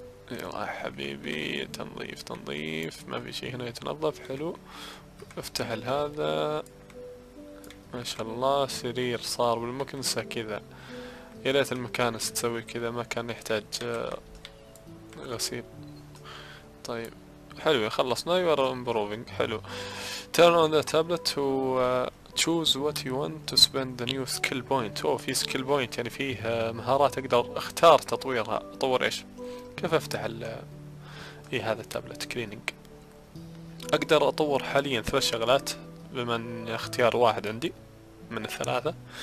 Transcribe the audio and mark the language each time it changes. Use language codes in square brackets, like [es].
[ar] يا حبيبي، تنظيف تنظيف، ما في شيء هنا يتنظف. حلو، افتح هذا، ما شاء الله سرير صار بالمكنسة كذا. يا ريت المكان تسوي كذا، ما كان يحتاج غسيل. [en] طيب حلو، خلصنا. You are improving. حلو، turn on the tablet to choose what you want to spend the new skill point. [ar] أوه، في skill point، يعني فيه مهارات اقدر اختار تطويرها. اطور ايش؟ كيف افتح ال إيه هذا التابلت كليننج؟ اقدر اطور حاليا 3 شغلات بمن اختيار واحد عندي من الثلاثة.